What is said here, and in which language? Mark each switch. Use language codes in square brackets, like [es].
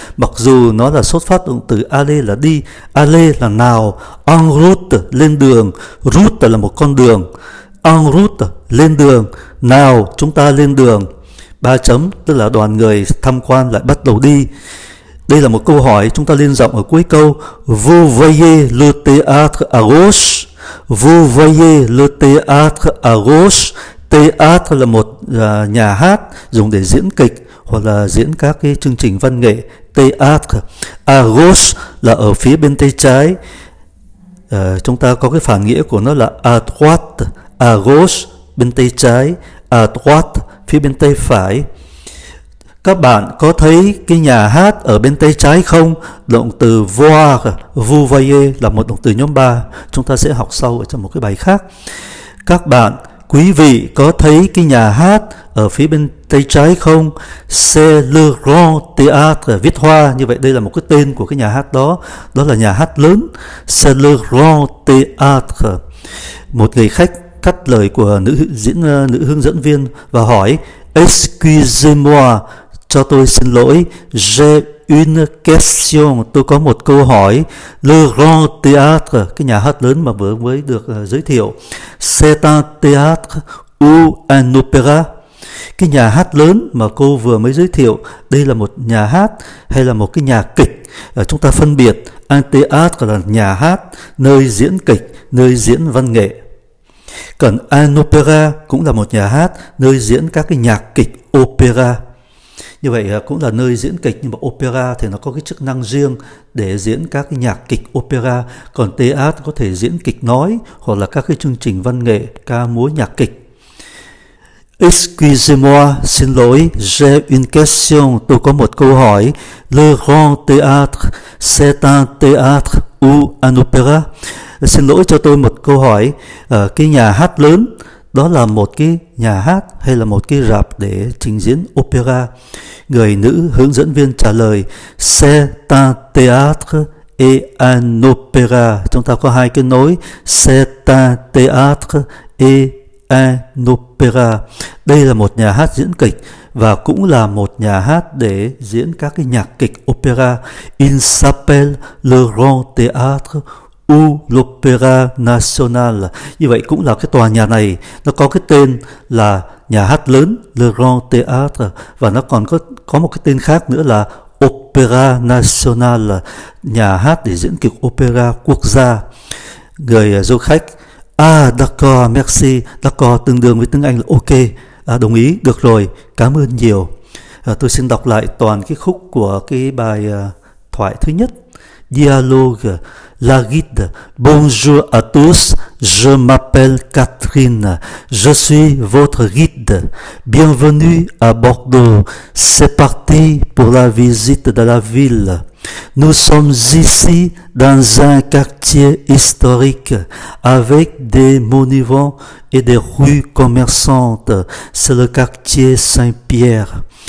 [vi] Mặc dù nó là xuất phát động từ aller là đi. Aller là nào. [fr] En route, [vi] lên đường. Route là một con đường. [fr] En route, [vi] lên đường. Nào, chúng ta lên đường. Ba chấm, tức là đoàn người tham quan lại bắt đầu đi. Đây là một câu hỏi, chúng ta lên giọng ở cuối câu. [fr] Vous voyez le théâtre à gauche? Vous voyez le théâtre à gauche? [vi] Théâtre là một nhà hát dùng để diễn kịch hoặc là diễn các cái chương trình văn nghệ. [fr] Théâtre à gauche [vi] là ở phía bên tay trái. Chúng ta có cái phản nghĩa của nó là [fr] à droite. À gauche, [vi] bên tay trái. [fr] À droite, [vi] phía bên tay phải. Các bạn có thấy cái nhà hát ở bên tay trái không? Động từ voir, [fr] vous voyez [vi] là một động từ nhóm 3. Chúng ta sẽ học sau ở trong một cái bài khác. Các bạn, quý vị có thấy cái nhà hát ở phía bên tay trái không? [fr] C'est le grand théâtre, [vi] viết hoa. Như vậy đây là một cái tên của cái nhà hát đó. Đó là nhà hát lớn. [fr] C'est le grand théâtre. [vi] Một người khách cắt lời của nữ diễn nữ hướng dẫn viên và hỏi: [fr] Excusez-moi, [vi] cho tôi xin lỗi. [fr] J'ai une question. [vi] Tôi có một câu hỏi. Le Grand Théâtre, cái nhà hát lớn mà vừa mới được giới thiệu. [fr] C'est un théâtre ou un opéra? [vi] Cái nhà hát lớn mà cô vừa mới giới thiệu, đây là một nhà hát hay là một cái nhà kịch? Chúng ta phân biệt. [fr] Un théâtre [vi] là nhà hát, nơi diễn kịch, nơi diễn văn nghệ. Còn [fr] un opéra [vi] cũng là một nhà hát, nơi diễn các cái nhạc kịch, opéra. Như vậy cũng là nơi diễn kịch, nhưng mà opéra thì nó có cái chức năng riêng để diễn các cái nhạc kịch, opéra. Còn théâtre có thể diễn kịch nói hoặc là các cái chương trình văn nghệ, ca múa, nhạc kịch. [fr] Excusez-moi, [vi] xin lỗi, [fr] j'ai une question, [vi] tôi có một câu hỏi. [fr] Le Grand Théâtre, c'est un théâtre ou un opéra? [vi] Xin lỗi cho tôi một câu hỏi, cái nhà hát lớn, đó là một cái nhà hát hay là một cái rạp để trình diễn opéra? Người nữ hướng dẫn viên trả lời, [fr] c'est un théâtre et un opéra. [vi] Chúng ta có hai cái nối, [fr] c'est un théâtre et un opéra. [vi] Đây là một nhà hát diễn kịch và cũng là một nhà hát để diễn các cái nhạc kịch opéra. [fr] Il s'appelle le Grand Théâtre ou l'Opéra National. [vi] Như vậy cũng là cái tòa nhà này, nó có cái tên là nhà hát lớn, Le Grand Théâtre, và nó còn có một cái tên khác nữa là Opéra National, nhà hát để diễn kịch opéra quốc gia. Người du khách, [fr] ah, d'accord, merci, d'accord, [vi] tương đương với tiếng Anh là ok, đồng ý, được rồi, cảm ơn nhiều. Tôi xin đọc lại toàn cái khúc của cái bài thoại thứ nhất. [fr] Dialogue, la guide, bonjour à tous, je m'appelle Catherine, je suis votre guide, bienvenue à Bordeaux, c'est parti pour la visite de la ville. Nous sommes ici dans un quartier historique avec des monuments et des rues commerçantes, c'est le quartier Saint-Pierre.